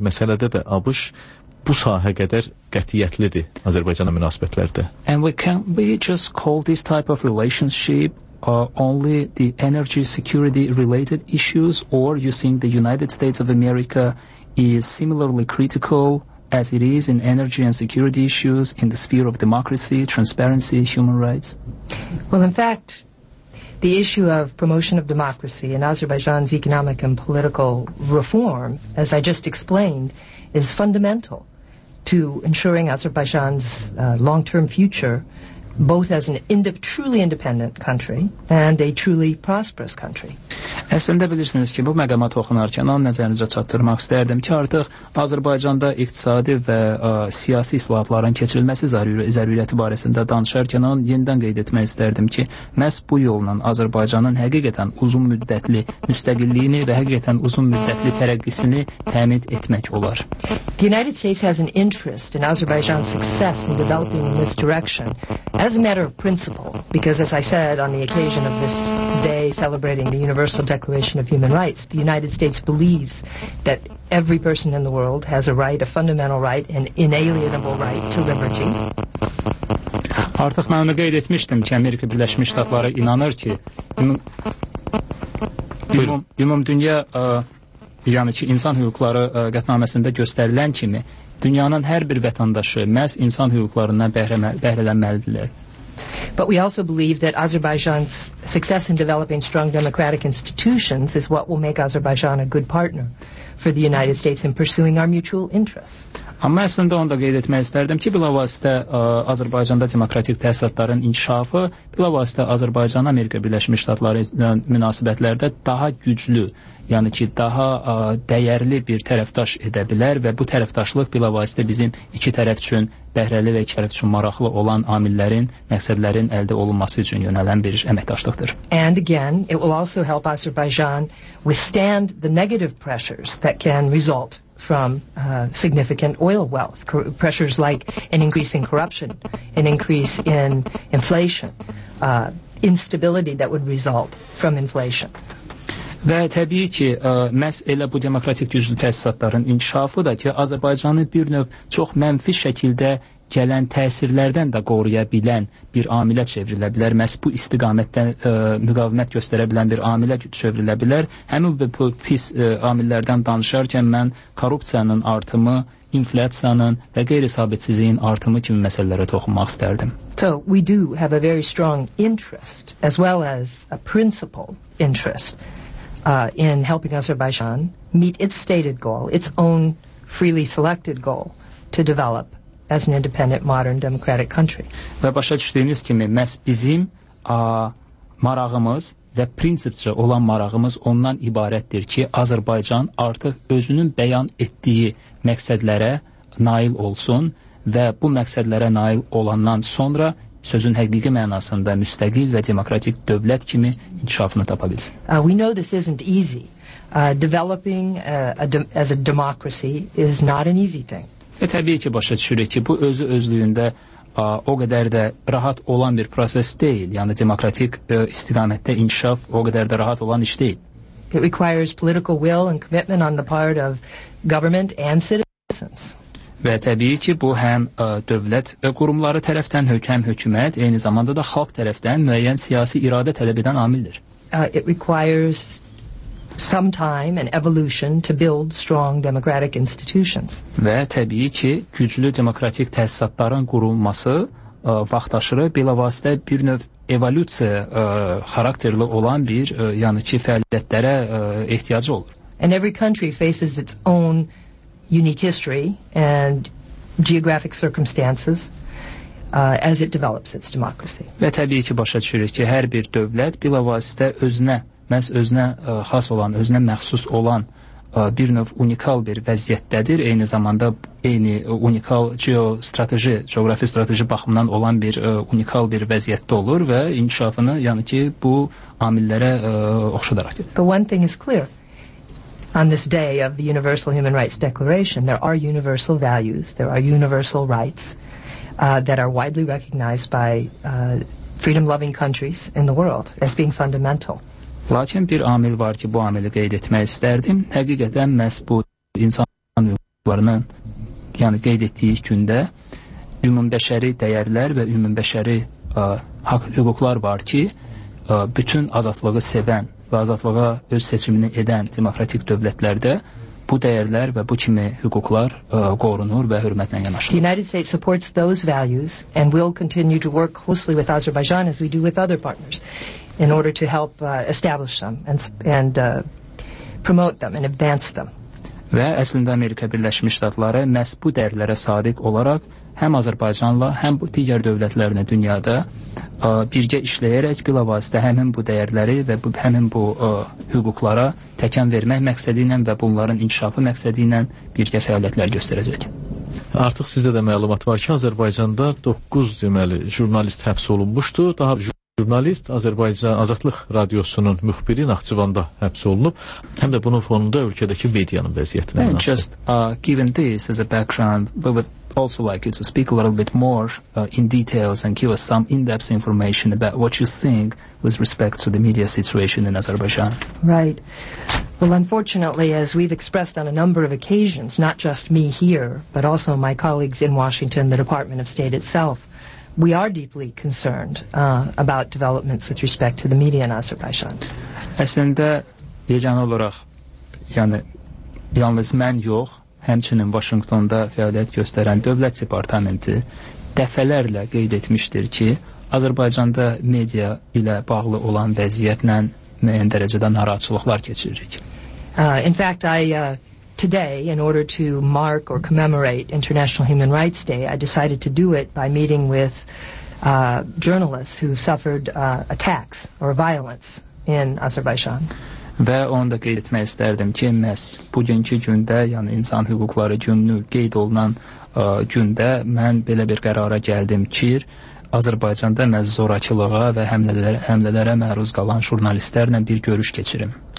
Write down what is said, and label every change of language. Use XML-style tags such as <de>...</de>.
<az>məsələdə də ABŞ bu sahə qədər qətiyyətlidir Azərbaycanla münasibətlərdə.</az> <en>And we can we just call this type of relationship only the energy security related issues, or you think the United States of America is similarly critical as it is in energy and security issues in the sphere of democracy, transparency, human rights? Well, in fact, the issue of promotion of democracy and Azerbaijan's economic and political reform, as I just explained, is fundamental to ensuring Azerbaijan's long-term future, both as an truly independent country and a truly prosperous country.</en> <az>Əslində bilirsiniz ki, bu məqama toxunarkən onu nəzərinizə çatdırmaq istərdim ki, artıq Azərbaycanda iqtisadi və siyasi islahatların keçirilməsi zəruriyyəti barəsində danışarkən onu yenidən qeyd etmək istərdim ki, məhz bu yolla Azərbaycanın həqiqətən uzun müddətli müstəqilliyini və həqiqətən uzun müddətli tərəqqisini təmin etmək olar.</az> <en>The United States has an interest in Azerbaijan's success in developing in this direction. as a matter of principle, because as I said on the occasion of this day celebrating the Universal Declaration of Human Rights, the United States believes that every person in the world has a right, a fundamental right, an inalienable right to liberty.</en> <az>Artıq mən onu qeyd etmişdim ki, Amerika Birləşmiş Ştatları inanır ki, ümumdünya, yəni ki, insan hüquqları qətnaməsində göstərilən kimi, dünyanın hər bir vətəndaşı məhz insan hüquqlarından bəhrələnməlidirlər.</az> <en>But we also believe that Azerbaijan's success in developing strong democratic institutions is what will make Azerbaijan a good partner for the United States in pursuing our mutual interests.</en> <az>Amma əslində onu da qeyd etmək istərdim ki, bilavasitə Azərbaycanda demokratik təsisatların inkişafı, bilavasitə Azərbaycan-Amerika Birləşmiş Ştatları ilə münasibətlərdə daha güclü, yəni ki, daha dəyərli bir tərəfdaş edə bilər və bu tərəfdaşlıq bilavasitə bizim iki tərəf üçün bəhrəli və iki tərəf üçün maraqlı olan amillərin, məqsədlərin əldə olunması üçün yönələn bir əməkdaşlıqdır.</az> <en>And again, it will also help Azerbaijan withstand the negative pressures that can result from significant oil wealth, pressures like an increase in corruption, an increase in inflation, instability that would result from inflation.</en> <az>Və təbii ki, məhz elə bu demokratik güclü təsisatların inkişafı da ki, Azərbaycanı bir növ çox mənfi şəkildə gələn təsirlərdən də qoruya bilən bir amilə çevrilə bilər. Məhz bu istiqamətdən müqavimət göstərə bilən bir amilə çevrilə bilər. Həmin bu pis amillərdən danışarkən mən korrupsiyanın artımı, inflyasiyanın və qeyri-sabitsizliyin artımı kimi məsələlərə toxunmaq istərdim.</az> <en>So, we do have a very strong interest as well as a principal interest in helping Azerbaijan meet its stated goal, its own freely selected goal to develop as an independent modern democratic country.</en> <az>Və başa düşdüyünüz kimi məhz bizim marağımız və prinsipcə olan marağımız ondan ibarətdir ki, Azərbaycan artıq özünün bəyan etdiyi məqsədlərə nail olsun və bu məqsədlərə nail olandan sonra sözün həqiqi mənasında müstəqil və demokratik dövlət kimi inkişafını tapa bilsin.</az> <en>We know this isn't easy. Developing as a democracy is not an easy thing.</en> <az>Və təbii ki, başa düşürük ki, bu özü özlüyündə o qədər də rahat olan bir proses deyil. Yəni, demokratik istiqamətdə inkişaf o qədər də rahat olan iş deyil.</az> <en>It requires political will and commitment on the part of government and citizens.</en> <az>Və təbii ki, bu həm dövlət qurumları tərəfdən, həm hökumət, eyni zamanda da xalq tərəfdən müəyyən siyasi iradə tələb edən amildir.</az> <en>It requires some time and evolution to build strong democratic institutions.</en> <az>Və təbii ki, güclü demokratik təsisatların qurulması vaxt aşırı bilavasitə bir növ evolyusiya xarakterli olan bir yəni ki, fəaliyyətlərə ehtiyacı olur.</az> <en>And every country faces its own unique history and geographic circumstances as it develops its democracy.</en> <az>Və təbii ki, başa düşürük ki, hər bir dövlət bilavasitə özünə məhz özünə xas olan, özünə məxsus olan bir növ unikal bir vəziyyətdədir. Eyni zamanda eyni unikal geostrateji, coğrafi strateji baxımından olan bir unikal bir vəziyyətdə olur və inkişafını, yəni ki, bu amillərə oxşadaraq.</az> <en>But one thing is clear. On this day of the Universal Human Rights Declaration, there are universal values, there are universal rights that are widely recognized by freedom-loving countries in the world as being fundamental.</en> <az>Lakin bir amil var ki, bu amili qeyd etmək istərdim. Həqiqətən məhz bu insan hüquqlarının, yəni qeyd etdiyi gündə ümumbəşəri dəyərlər və ümumbəşəri hüquqlar var ki, bütün azadlığı sevən və azadlığa öz seçimini edən demokratik dövlətlərdə bu dəyərlər və bu kimi hüquqlar qorunur və hörmətlə yanaşılır.</az> <en>The United States supports those values and will continue to work closely with Azerbaijan as we do with other partners in order to help establish them and promote them and advance them.</en> <az>Və əslində Amerika Birləşmiş Ştatları məhz bu dəyərlərə sadiq olaraq həm Azərbaycanla, həm bu digər dövlətlərlə dünyada birgə işləyərək bilavasitə həmin bu dəyərləri və bu həmin bu hüquqlara təkan vermək məqsədi ilə və bunların inkişafı məqsədi ilə birgə fəaliyyətlər göstərəcək. Artıq sizdə də məlumat var ki, Azərbaycanda 9 deməli jurnalist həbs olunmuşdu. Daha jurnalist Azərbaycan Azadlıq Radiosunun müxbiri Naxçıvanda həbs olunub. Həm də bunun fonunda ölkədəki medianın vəziyyətinə</az> <en>just given this as a background, also like you to speak a little bit more in details and give us some in-depth information about what you think with respect to the media situation in Azerbaijan. Right. Well, unfortunately, as we've expressed on a number of occasions, not just me here, but also my colleagues in Washington, the Department of State itself, we are deeply concerned about developments with respect to the media in Azerbaijan.</en> <az>Aslında yegan olarak yani yalnız mən yox, həmçinin Washington'da fəaliyyət göstərən Dövlət Departamenti dəfələrlə qeyd etmişdir ki, Azərbaycanda media ilə bağlı olan vəziyyətlə müəyyən dərəcədə narahatçılıqlar keçiririk.</az> <en>In fact, today, in order to mark or commemorate International Human Rights Day, I decided to do it by meeting with journalists who suffered attacks or violence in Azerbaijan.</en> <az>Və onu da qeyd etmək istərdim ki, məhz bugünkü gündə, yəni İnsan Hüquqları Günü qeyd olunan gündə mən belə bir qərara gəldim ki, Azərbaycanda məhz zorakılığa və həmlələrə məruz qalan jurnalistlərlə bir görüş keçirim.</az>